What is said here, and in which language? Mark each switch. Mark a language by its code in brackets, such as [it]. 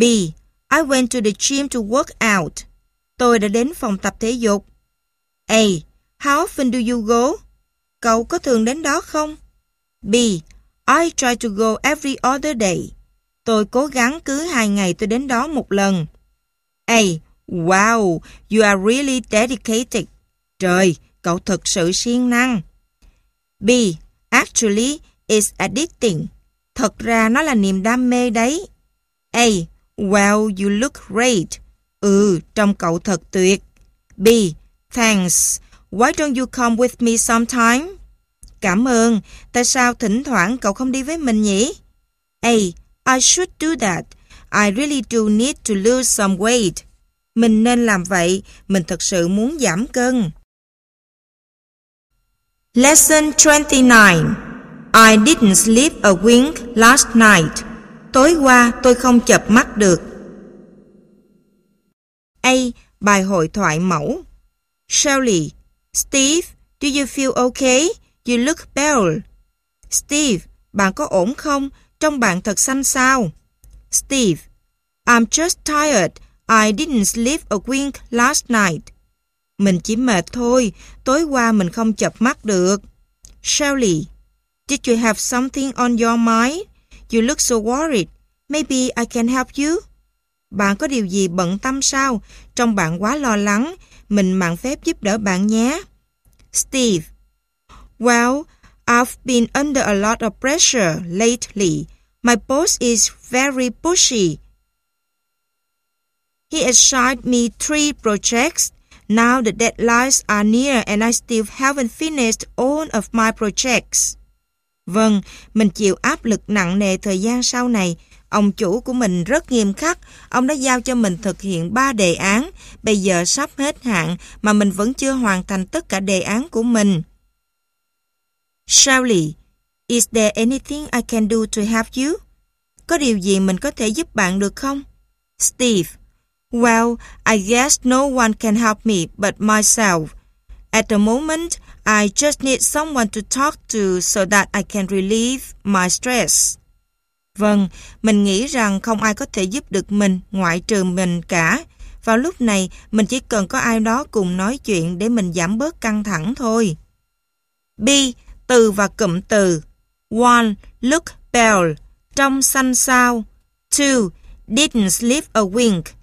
[en] I went to the gym to work out. [vi] Tôi đã đến phòng tập thể dục. [en] A. How often do you go? [vi] Cậu có thường đến đó không? [en] B. I try to go every other day. [vi] Tôi cố gắng cứ hai ngày tôi đến đó một lần. [en] A. Wow, you are really dedicated. [vi] Trời, cậu thật sự siêng năng. [en] B. Actually, it's addicting. [vi] Thật ra nó là niềm đam mê đấy. [en] A. Well, you look great. [vi] Ừ, trông cậu thật tuyệt. [en] B. Thanks. Why don't you come with me sometime? [vi] Cảm ơn. Tại sao thỉnh thoảng cậu không đi với mình nhỉ? [en] A. I should do that. I really do need to lose some weight. [vi] Mình nên làm vậy. Mình thật sự muốn giảm cân. [en] Lesson 29. I didn't sleep a wink last night. [vi] Tối qua tôi không chợp mắt được. A. Bài hội thoại mẫu. Shelley. [en] Steve, do you feel okay? You look pale. [vi] Steve, bạn có ổn không? Trông bạn thật xanh xao. [en] Steve. I'm just tired. I didn't sleep a wink last night. [vi] Mình chỉ mệt thôi. Tối qua mình không chợp mắt được. [en] Shelley. Did you have something on your mind? You look so worried. Maybe I can help you. [vi] Bạn có điều gì bận tâm sao? Trông bạn quá lo lắng. Mình mạn phép giúp đỡ bạn nhé. [en] Steve. Well, I've been under a lot of pressure lately. My boss is very pushy. He assigned me 3 projects. Now the deadlines are near and I still haven't finished all of my projects. [vi] Vâng, mình chịu áp lực nặng nề thời gian sau này. Ông chủ của mình rất nghiêm khắc. Ông đã giao cho mình thực hiện 3 đề án. Bây giờ sắp hết hạn mà mình vẫn chưa hoàn thành tất cả đề án của mình. [en] Shelley, is there anything I can do to help you? [vi] Có điều gì mình có thể giúp bạn được không? [en] Steve, well, I guess no one can help me but myself. At the moment, I just need someone to talk to so that I can relieve my stress. [vi] Vâng, mình nghĩ rằng không ai có thể giúp được mình ngoại trừ mình cả. Vào lúc này, mình chỉ cần có ai đó cùng nói chuyện để mình giảm bớt căng thẳng thôi. B. Từ và cụm từ. 1. [en] Look pale. [vi] Trông xanh xao. [en] 2. Didn't sleep a wink.